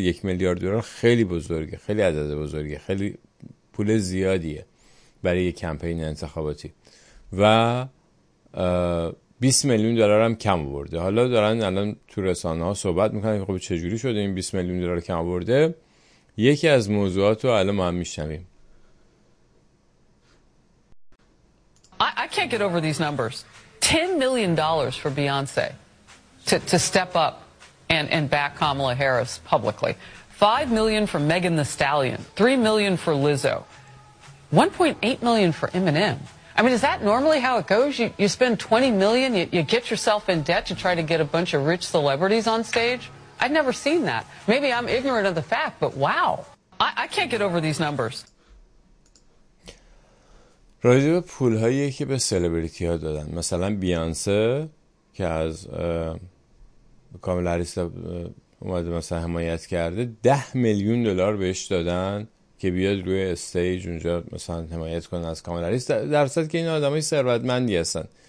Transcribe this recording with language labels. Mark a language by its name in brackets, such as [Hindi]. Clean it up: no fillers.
[Persian] 1 میلیارد دلار خیلی بزرگه، خیلی عدد بزرگه، خیلی پول زیادیه برای یک کمپین انتخاباتی و 20 میلیون دلار هم کم آورده. حالا دارن الان تو رسانه ها صحبت میکنن که خب چجوری شده این 20 میلیون دلار کم آورده. یکی از موضوعات رو الان ما هم میشنویم. [English] I can't get over these numbers. $10 million for Beyonce to step up and back Kamala Harris publicly. $5 million for Megan Thee Stallion. $3 million for Lizzo. $1.8 million for Eminem. I mean, is that normally how it goes? You spend $20 million, you get yourself in debt to try to get a bunch of rich celebrities on stage? I'd never seen that. Maybe I'm ignorant of the fact, but wow. I can't get over these numbers. [Persian] راجع به پولهایی که به سلبریتی ها دادن، مثلا بیانسه که از کامالا هریس اومده مثلا حمایت کرده، 10 میلیون دلار بهش دادن که بیاد روی استیج اونجا مثلا حمایت کنه از کامالا هریس، در صورت که این آدم های ثروتمندی هستن.